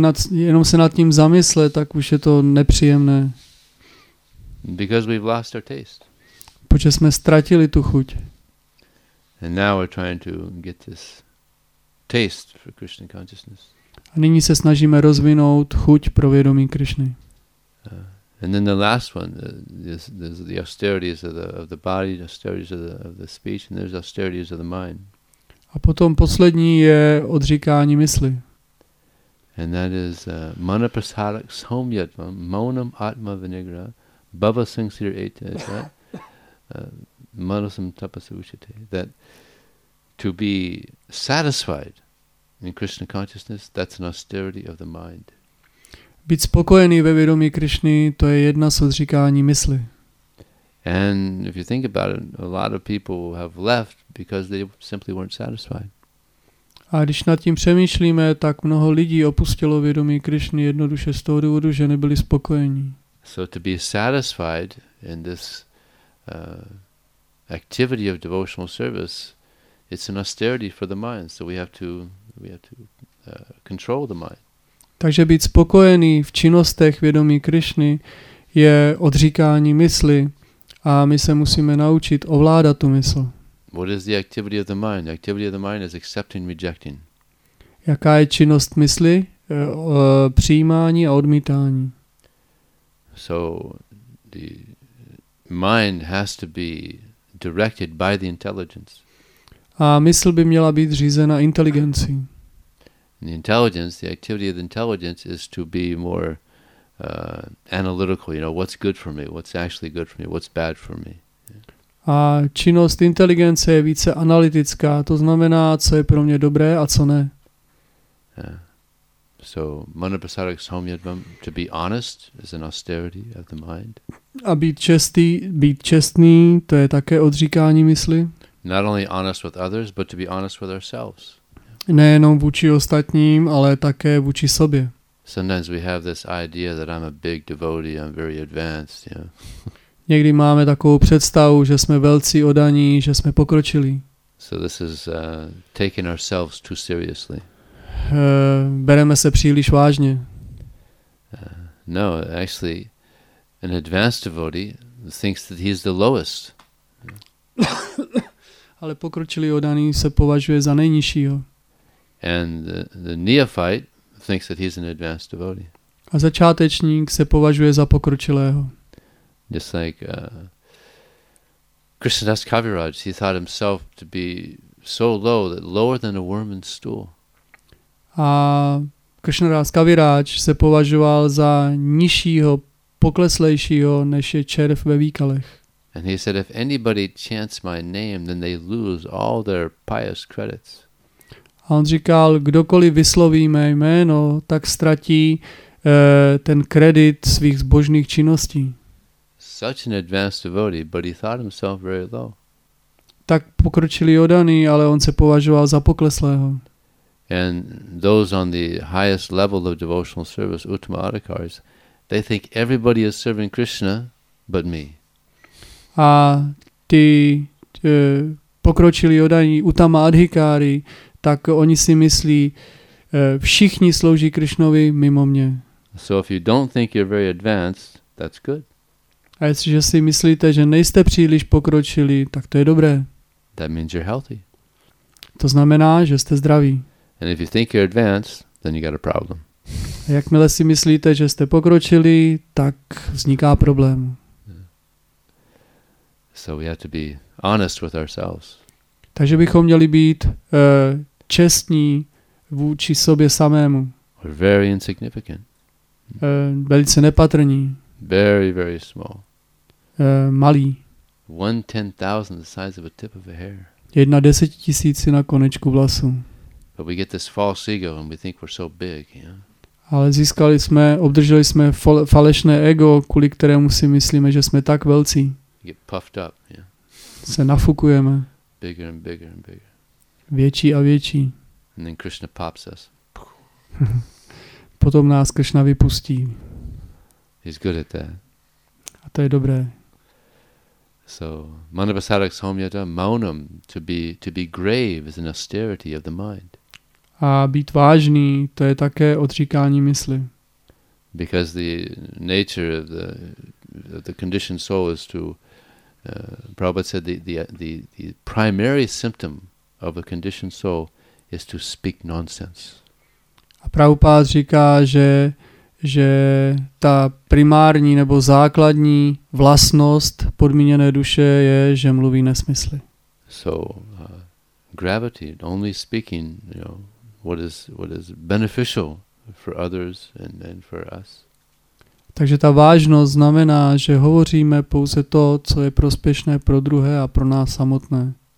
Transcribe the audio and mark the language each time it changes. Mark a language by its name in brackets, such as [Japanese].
[Czech] Jenom se nad tím zamyslet, tak už je to nepříjemné. [English] Because we've lost our taste. [Czech] Protože jsme ztratili tu chuť. [English] And now we're trying to get this taste for Krishna consciousness. [Czech] A nyní se snažíme rozvinout chuť pro vědomí Krišny. [English] And then the last one, there's the austerities of the body, the austerities of the speech, and there's austerities of the mind. [Czech] A potom poslední je odříkání mysli. [English] And that is [Sanskrit] mana prasadak somyatvam monam atma vinigra bhava sangsir etaja manasam tapasavuchate, [English] that to be satisfied in Krishna consciousness, that's an austerity of the mind. [Czech] Být spokojený ve vědomí Krišny, to je jedna z odříkání mysli. [English] And if you think about it, a lot of people have left because they simply weren't satisfied. [Czech] A když nad tím přemýšlíme, tak mnoho lidí opustilo vědomí Krišny jednoduše z toho důvodu, že nebyli spokojení. [English] So to be satisfied in this activity of devotional service, it's an austerity for the mind, so we have to control the mind. [Czech] Takže být spokojený v činnostech vědomí Krišny je odříkání mysli a my se musíme naučit ovládat tu mysl. [English] What is the activity of the mind? The activity of the mind is accepting, rejecting. [Czech] Jaká je činnost mysli? Přijímání a odmítání. [English] So the mind has to be directed by the intelligence. [Czech] A mysl by měla být řízena inteligencí. [English] The intelligence, the activity of the intelligence is to be more analytical, you know, what's good for me, what's actually good for me, what's bad for me. [Czech] A činnost inteligence je více analytická, to znamená, co je pro mě dobré a co ne. [English] So [Sanskrit] mana prasadak somyatvam, [English] to be honest is an austerity of the mind. [Czech] A být čestný, to je také odříkání mysli. [English] Not only honest with others, but to be honest with ourselves. [Czech] Nejenom vůči ostatním, ale také vůči sobě. [English] Sometimes we have this idea that I'm a big devotee, I'm very advanced, you know. [Czech] Někdy máme takovou představu, že jsme velcí odaní, že jsme pokročili. [English] So this is taking ourselves too seriously. [Czech] Bereme se příliš vážně. [English] No, actually an advanced devotee thinks that he's the lowest. [Czech] Ale pokročilý odaný se považuje za nejnižšího. [English] And the neophyte thinks that he's an advanced devotee. [Czech] A začátečník se považuje za pokročilého. [English] Just like Krishnadas Kaviraj, he thought himself to be so low, that lower than a worm in stool. [Czech] A Krishnadas Kaviraj se považoval za nižšího, pokleslejšího, než je červ ve výkalech. [English] And he said, if anybody chants my name, then they lose all their pious credits. [Czech] A on říkal, kdokoliv vysloví mé jméno, tak ztratí ten kredit svých zbožných činností. [English] Such an advanced devotee, but he thought himself very low. [Czech] Tak pokročilý odaný, ale on se považoval za pokleslého. [English] And those on the highest level of devotional service, Uttama Adhikaris, they think everybody is serving Krishna but me. [Czech] A ty pokročilý odaní Uttama Adhikari, tak oni si myslí, všichni slouží Krishnovi mimo mě. [English] So if you don't think you're very advanced, that's good. [Czech] A jestliže si myslíte, že nejste příliš pokročili, tak to je dobré. [English] That means you're healthy. [Czech] To znamená, že jste zdraví. [English] And if you think you're advanced, then you got a problem. [Czech] A jakmile si myslíte, že jste pokročili, tak vzniká problém. [English] Yeah. So we have to be honest with ourselves. [Czech] Takže bychom měli být čestní vůči sobě samému. [English] We're very insignificant. [Czech] Velice nepatrní. [English] Very, very small. [Czech] Malý. [English] 1/10,000 the size of a tip of a hair. [Czech] 1/10,000 konečku vlasu. [English] But we get this false ego and we think we're so big, you know? [Czech] Ale získali jsme, obdrželi jsme falešné ego, kvůli kterému si myslíme, že jsme tak velcí. [English] Get puffed up, yeah. [Czech] Se nafukujeme. [English] Bigger and bigger and bigger. [Czech] Větší a větší. [English] And then Krishna pops us. [Czech] Potom nás Krishna vypustí. [English] He's good at that. [Czech] A to je dobré. [English] So, [Sanskrit] Manavasarak Somyata, Maunam, [English] to be grave is an austerity of the mind. [Czech] A být vážný, to je také odříkání mysli. [English] Because the nature of the conditioned soul is to, Prabhupada said, the primary symptom of a conditioned soul is to speak nonsense. [Czech] A Prabhupada říká, že ta primární nebo základní vlastnost podmíněné duše je, že mluví nesmysly. [English] So gravity, only speaking, you know, what is beneficial for others and for us. [Czech] Takže ta vážnost znamená, že hovoříme pouze to, co je prospěšné pro druhé a pro nás samotné.